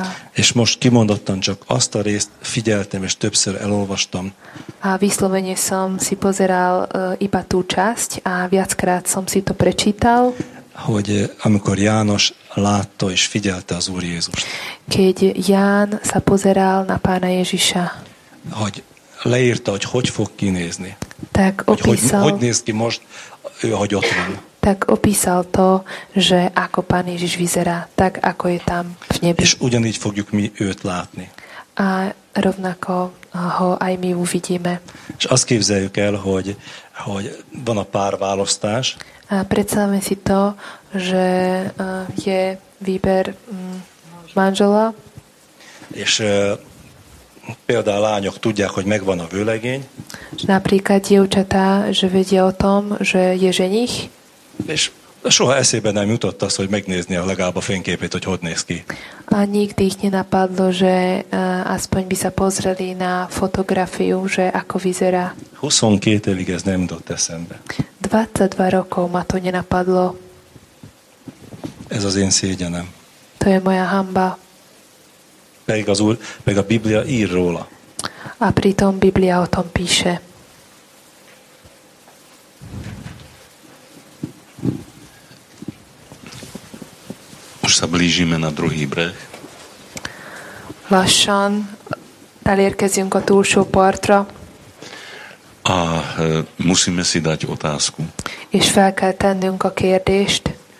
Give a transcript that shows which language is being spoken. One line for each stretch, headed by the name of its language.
Hungarian: És most kimondottan csak azt a részt figyeltem, és többször elolvastam.
Slovak: A vyslovene som si pozeral iba tú časť a viackrát som si to prečítal.
Hungarian: Hogy amikor János látta és figyelte az Úr Jézust.
Slovak: Keď Ján sa pozeral na Pána Ježiša.
Hungarian: Hogy leírta, hogy fog kinézni.
Slovak: Tak opísal,
Hungarian: hogy néz ki most, hogy ott van.
Slovak: Tak opísal to, že ako Pán Ježiš vyzerá, tak ako je tam v nebi.
Hungarian: És ugyanígy fogjuk mi őt látni.
Slovak: A rovnako ho aj my uvidíme.
Hungarian: És azt képzeljük el, hogy van a pár választás.
Slovak: A predstavme si to, že je výber manžela.
Hungarian: És például lányok tudják, hogy megvan a vőlegény.
Slovak: Napríklad dievčatá, že vedia o tom, že je ženich.
Hungarian: És soha eszébe nem jutott az, hogy megnézni a legalább a fényképét, hogy hogy néz ki.
Slovak: A nikdy ich nenapadlo, že aspoň by sa pozreli na fotografiu, že ako vyzerá.
Hungarian: 22 évig ez nem jutott eszembe.
Slovak: 22 rokov ma to nenapadlo.
Hungarian: Ez az én szégyenem.
Slovak: To je moja hamba.
Hungarian: Pedig az Úr, meg a Biblia ír róla.
Slovak: A pritom Biblia o tom píše. Už sa blížime na druhý breh.
Hungarian: Lassan elérkezünk a túlsó partra.
Slovak: A musíme si dať otázku.
Hungarian: És fel kell tennünk a kérdést.